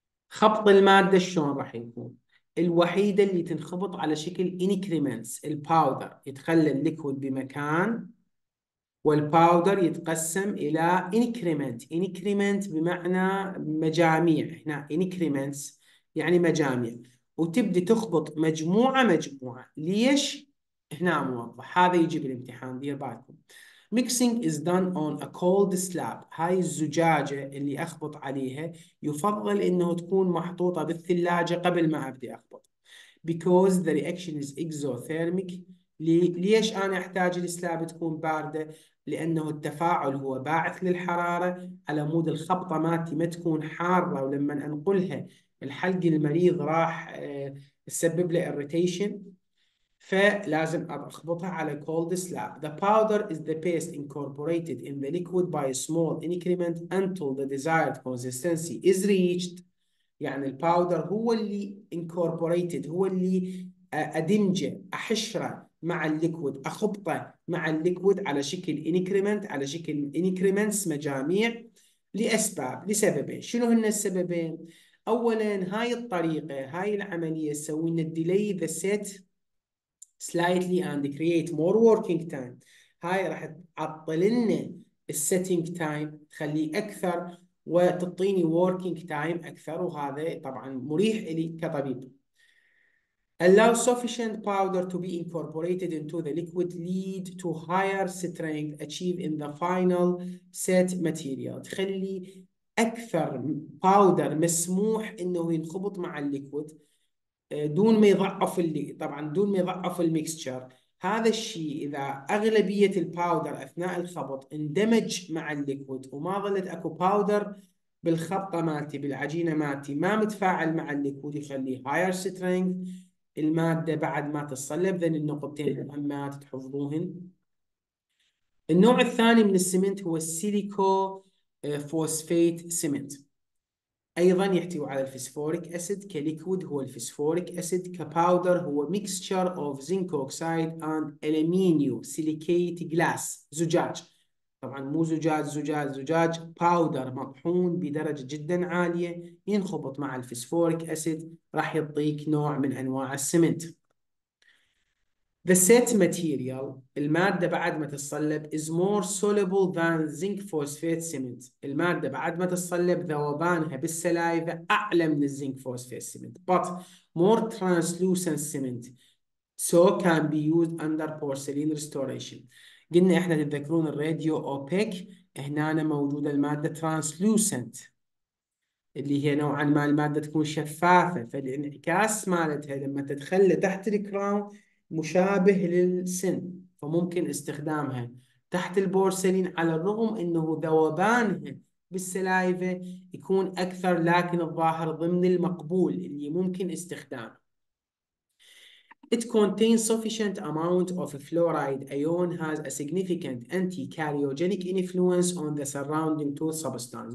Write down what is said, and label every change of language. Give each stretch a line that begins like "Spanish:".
Arabic: خبط الماده شلون راح يكون؟ الوحيده اللي تنخبط على شكل انكريمنتس، الباودر يتخلى الليكويد بمكان والباودر يتقسم الى انكريمنت، انكريمنت بمعنى مجاميع، هنا انكريمنتس يعني مجاميع، وتبدي تخبط مجموعه مجموعه. ليش؟ هنا موضح، هذا يجي بالامتحان دير بالكم.
English: Mixing is done on a cold slab.
Arabic: هاي الزجاجة اللي أخبط عليها يفضل إنه تكون محطوطة بالثلاجة قبل ما أبدي أخبط.
English: Because the reaction is exothermic.
Arabic: ليش أنا أحتاج السلاب تكون باردة؟ لأنه التفاعل هو باعث للحرارة على مود الخبطة مالتي ما تكون حارة، ولما أنقلها الحلق المريض راح تسبب له irritation، فلازم أخبطها على cold slab.
English: The powder is the paste incorporated in the liquid by a small increment until the desired consistency is reached.
Arabic: يعني الباودر هو اللي incorporated، هو اللي أدمجه أحشره مع الليكويد، أخبطه مع الليكويد على شكل increment، على شكل increments مجاميع، لأسباب، لسببين. شنو هن السببين؟ أولا هاي الطريقة، هاي العملية تسوي لنا
English: delay the set slightly and create more working time.
Arabic: هاي راح تعطل لنا السيتنج تايم، تخليه اكثر وتعطيني working تايم اكثر، وهذا طبعا مريح لي كطبيب.
English: Allow sufficient powder to be incorporated into the liquid lead to higher strength achieved in the final set material.
Arabic: تخلي اكثر باودر مسموح انه ينخبط مع الليكويد دون ما يضعف اللي طبعا دون ما يضعف الميكستشر. هذا الشيء اذا اغلبيه الباودر اثناء الخبط اندمج مع الليكويد وما ظلت اكو باودر بالخبطه مالتي بالعجينه مالتي ما متفاعل مع الليكويد، يخلي هاير سترينج الماده بعد ما تتصلب. ذن النقطتين المهمات تحفظوهن. النوع الثاني من السمنت هو السيليكو فوسفيت سمنت، ايضا يحتوي على الفسفوريك اسيد. كليكويد هو الفسفوريك اسيد، كباودر هو ميكستشر اوف زنك اوكسايد اند المينيو سيليكيت جلاس، زجاج طبعا مو زجاج زجاج زجاج، باودر مطحون بدرجه جدا عاليه ينخبط مع الفسفوريك اسيد راح يعطيك نوع من انواع السمنت.
English: The set material
Arabic: المادة بعد ما تتصلب
English: is more soluble than zinc phosphate cement.
Arabic: المادة بعد ما تتصلب ذوبانها بالسلايفة أعلى من الزنك فوسفيت سيمنت،
English: but more translucent cement so can be used under porcelain restoration.
Arabic: قلنا إحنا تتذكرون الراديو أوبيك، هنا أنا موجودة المادة translucent اللي هي نوعا ما المادة تكون شفافة، فالانعكاس مالتها لما تتخلى تحت الكراون مشابه للسن، فممكن استخدامها تحت البورسلين على الرغم انه ذوبانها بالسلايفه يكون اكثر، لكن الظاهر ضمن المقبول اللي ممكن استخدامه.
English: It contains sufficient amount of fluoride ion has a significant anti-karyogenic influence on the surrounding tooth substance.